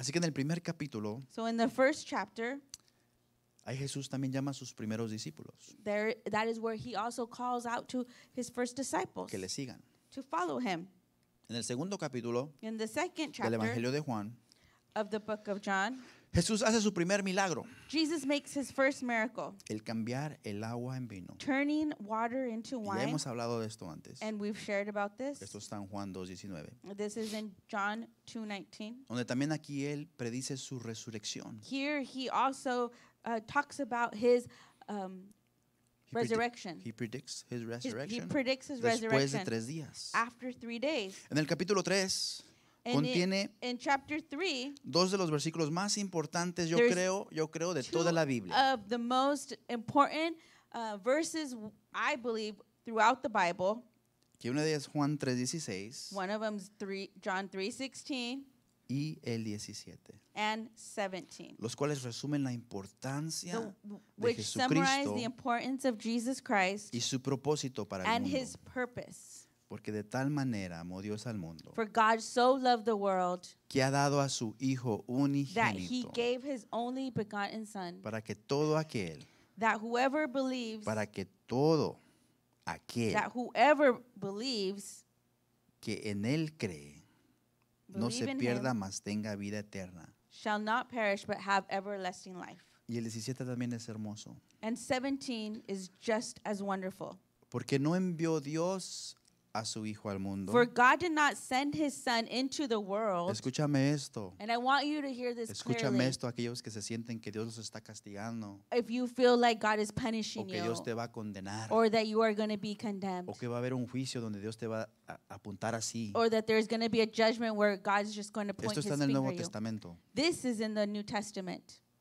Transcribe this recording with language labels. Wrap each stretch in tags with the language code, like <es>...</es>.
<es>Así que en el primer capítulo,</es> <en>so in the first chapter,</en> <es>ahí Jesús también llama a sus primeros discípulos.</es> <en>There, that is where he also calls out to his first disciples.</en> <es>Que le sigan.</es> <en>To follow him.</en> <es>En el segundo capítulo,</es> <en>in the second chapter,</en> <es>del Evangelio de Juan,</es> <en>of the book of John,</en> <es>Jesús hace su primer milagro.</es> <en>Jesus makes his first miracle.</en> <es>El cambiar el agua en vino.</es> <en>Turning water into wine.</en> <es>Y hemos hablado de esto antes.</es> <en>And we've shared about this.</en> <es>Esto está en Juan 2:19.</es> <en>This is in John 2:19.</en> <es>Donde también aquí él predice su resurrección.</es> <en>Here he also talks about his resurrection. He predicts his resurrection. He predicts his</en> <es>después</es> <en>resurrection.</en> <es>Después de tres días.</es> <en>After 3 days.</en> <es>En el capítulo 3. Contiene</es> <en>in chapter 3,</en> <es>dos de los versículos más importantes, yo creo, de toda la Biblia.</es> <en>Two of the most important verses, I believe, throughout the Bible.</en> <es>Que una de ellas es Juan 3:16.</es> <en>One of them is John 3:16.</en> <es>Y el 17.</es> <en>And 17.</en> <es>Los cuales resumen la importancia de Jesucristo.</es> <en>Which summarize the importance of Jesus Christ.</en> <es>Y su propósito para el mundo.</es> <en>And his purpose.</en> <es>Porque de tal manera amó Dios al mundo.</es> <en>For God so loved the world.</en> <es>Que ha dado a su hijo unigénito.</es> <en>That he gave his only begotten son.</en> <es>Para que todo aquel.</es> <en>That whoever believes.</en> <es>Para que todo aquel.</es> <en>That whoever believes.</en> <es>Que en él cree. No se pierda, mas tenga vida eterna.</es> <en>Shall not perish, but have everlasting life.</en> <es>Y el 17 también es hermoso.</es> <en>And 17 is just as wonderful.</en> <es>Porque no envió Dios a su hijo al mundo.</es> <en>For God did not send his son into the world.</en> <es>Escúchame esto.</es> <en>And I want you to hear this.</en> <es>Escúchame</es> <en>clearly.</en> <es>Esto, aquellos que se sienten que Dios los está castigando.</es> <en>If you feel like God is punishing</en> <es>o que</es> <en>you.</en> <es>Dios te va a condenar.</es> <en>Or that you are going to be condemned.</en> <es>O que va a haber un juicio donde Dios te va a apuntar así.</es> <en>Or that there is going to be a judgment where God is just going to point</en> <es>esto está</es> <en>his</en> <es>en el Nuevo</es> <en>finger</en> <es>Testamento.</es> <en>You. This is in the New Testament.</en>